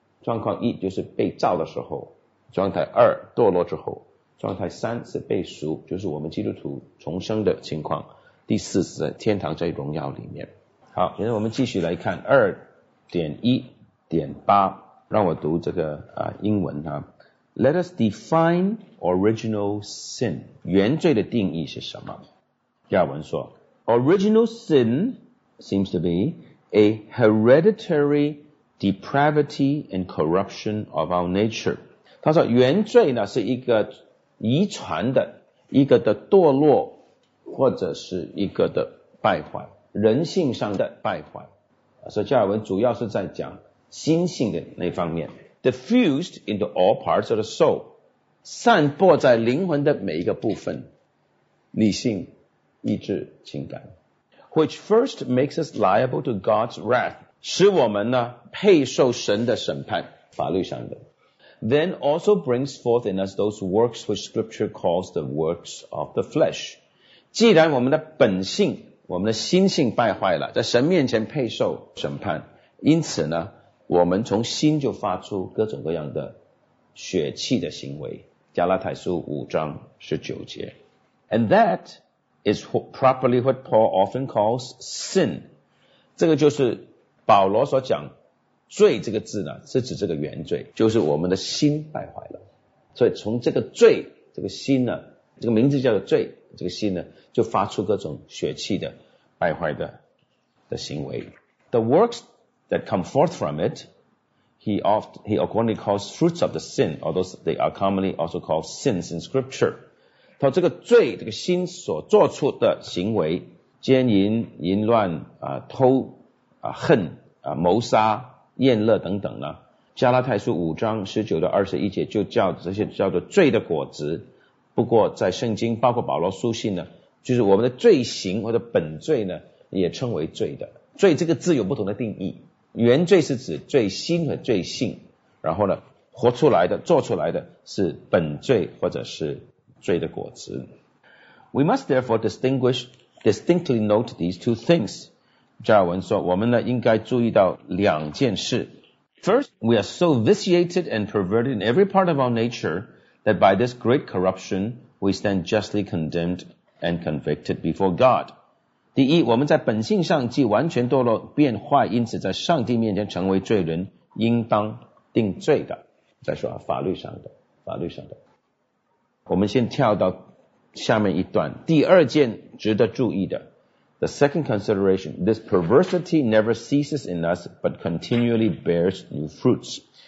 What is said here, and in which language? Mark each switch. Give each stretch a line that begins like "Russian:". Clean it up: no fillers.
Chinese: 状况一就是被造的时候，状态二堕落之后，状态三是被赎，就是我们基督徒重生的情况，第四是天堂在荣耀里面。好，现在我们继续来看 2.1.8， 让我读这个英文啊。
English: Let us define original sin，
Chinese: 原罪的定义是什么。第二文说，
English: Original sin seems to be a hereditary depravity and corruption of our nature。
Chinese: 他说原罪呢是一个遗传的，一个的堕落或者是一个的败坏，人性上的败坏。所以加尔文主要是在讲心性的那方面，
English: diffused into all parts of the soul，
Chinese: 散播在灵魂的每一个部分，理性、意志、情感。
English: Which first makes us liable to God's wrath，
Chinese: 使我们呢配受神的审判，法律上的。
English: Then also brings forth in us those works which scripture calls the works of the flesh。
Chinese: 既然我们的本性，我们的心性败坏了，在神面前配受审判，因此呢，我们从心就发出各种各样的血气的行为，加拉太书5:19。
English: And that is properly what Paul often calls sin。
Chinese: 这个就是保罗所讲罪这个字呢，是指这个原罪，就是我们的心败坏了。所以从这个罪，这个心呢，这个名字叫做罪，这个心呢，就发出各种血气的败坏的行为。
English: The works that come forth from it, he accordingly calls fruits of the sin, although they are commonly also called sins in scripture。
Chinese: 他这个罪，这个心所做出的行为，奸淫、淫乱、偷、恨、谋杀、厌乐等等呢，加拉太书5:19-21就叫这些叫做罪的果子。不过在圣经包括保罗书信呢，就是我们的罪行或者本罪呢也称为罪的。罪这个字有不同的定义，原罪是指罪心和罪性，然后呢活出来的做出来的是本罪或者是罪的果子。
English: We must therefore distinctly note these two things.
Chinese: 加尔文说，我们呢应该注意到两件事。
English: First, we are so vitiated and perverted in every part of our nature that by this great corruption, we stand justly condemned and convicted before God.
Chinese: 第一，我们在本性上既完全堕落变坏，因此在上帝面前成为罪人，应当定罪的。再说啊，法律上的。我们先跳到下面一段，第二件值得注意的。
English: The second consideration, this perversity never ceases in us, but continually bears new fruits.